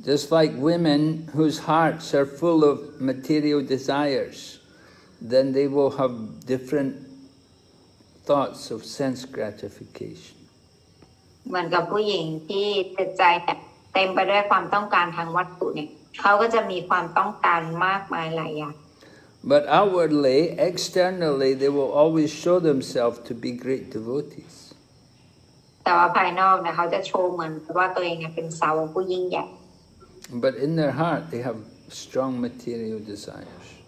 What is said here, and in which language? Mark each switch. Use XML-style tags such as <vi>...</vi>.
<en>Just like women whose hearts are full of material desires, then they will have different thoughts of sense gratification.</en> <th>เหมือนกับผู้หญิงที่ใจเต็มไปด้วยความต้องการทางวัตถุเนี่ยเขาก็จะมีความต้องการมากมายหลายอย่าง</th> <en>But outwardly, externally, they will always show themselves to be great devotees.</en> <th>แต่ว่าภายนอกนะเขาจะโชว์เหมือนว่าตัวเองเป็นสาวกผู้ยิ่งใหญ่</th> <en>But in their heart, they have strong material desires.</en>